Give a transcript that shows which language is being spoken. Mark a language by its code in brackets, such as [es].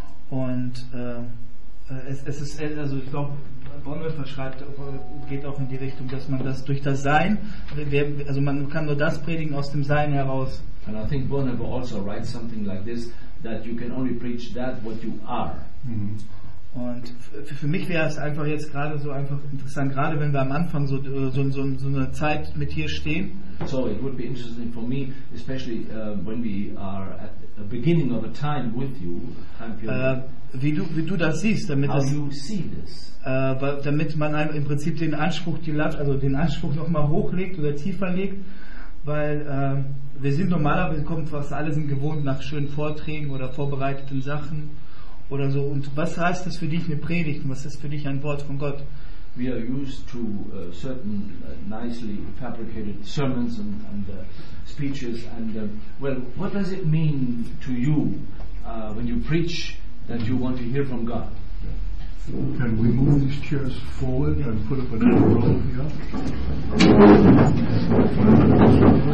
[de] Und es ist, also ich glaube, Bonhoeffer schreibt, geht auch in die Richtung, dass man das durch das Sein, also man kann nur das predigen aus dem Sein heraus. [en] And I think Bonhoeffer also writes something like this, that you can only preach that what you are. Mm-hmm. [de] Und für mich wäre es einfach jetzt gerade so einfach interessant, gerade wenn wir am Anfang so eine Zeit mit hier stehen. [en] So it would be interesting for me, especially when we are at the beginning of a time with you, [de] wie du das siehst, damit [en] how [de] das, [en] you see this. [de] Damit man im Prinzip den Anspruch, den Anspruch nochmal hochlegt oder tiefer legt, weil wir sind normalerweise, alle sind gewohnt nach schönen Vorträgen oder vorbereiteten Sachen oder so. Und was heißt das für dich, eine Predigt? Was ist für dich ein Wort von Gott? [en] We are used to certain nicely fabricated sermons and speeches. And well, what does it mean to you when you preach that you want to hear from God? Yeah. Can we move these chairs forward and put up another row here?